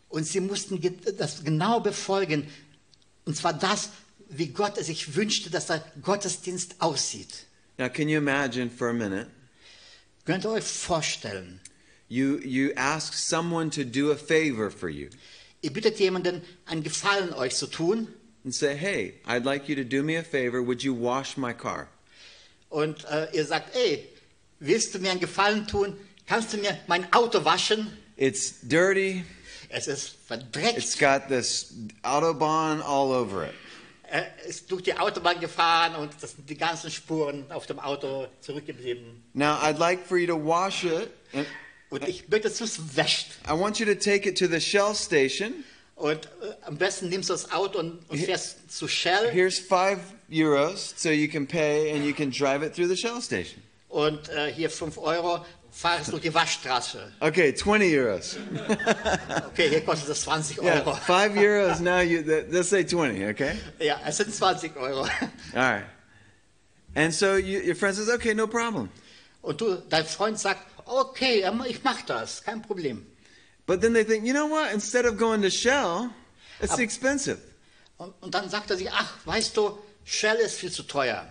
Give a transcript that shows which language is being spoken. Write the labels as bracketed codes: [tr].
[de] Und sie mussten das genau befolgen, und zwar das, wie Gott es sich wünschte, dass der Gottesdienst aussieht. [en] Now, can you imagine for a minute? [de] Könnt ihr euch vorstellen? [en] You ask someone to do a favor for you. [de] Ihr bittet jemanden, einen Gefallen euch zu tun. [en] And say, hey, I'd like you to do me a favor. Would you wash my car? [de] Und ihr sagt, ey, willst du mir einen Gefallen tun? Kannst du mir mein Auto waschen? [en] It's dirty. [de] Es ist verdreckt. [en] It's got this Autobahn all over it. [de] Es ist durch die Autobahn gefahren und das sind die ganzen Spuren auf dem Auto zurückgeblieben. [en] Now, I'd like for you to wash it. [de] Und ich möchte, dass du es wäschst. [en] I want you to take it to the Shell station. [de] Und am besten nimmst du das Auto und fährst zu Shell. [en] Here's 5 Euros, so you can pay and you can drive it through the Shell station. [de] Und hier 5 Euro, fahrst durch die Waschstraße. [en] Okay, 20 Euros. [de] Okay, hier kostet es 20 Euro. [en] Yeah, 5 Euros, now you, let's say 20, okay? [de] Ja, es sind 20 Euro. [en] All right. And so your friend says, okay, no problem. [de] Und dein Freund sagt, okay, ich mach das, kein Problem. [en] But then they think, you know what? Instead of going to Shell, it's expensive. [de] Und dann sagt er sich, ach, weißt du, Shell ist viel zu teuer.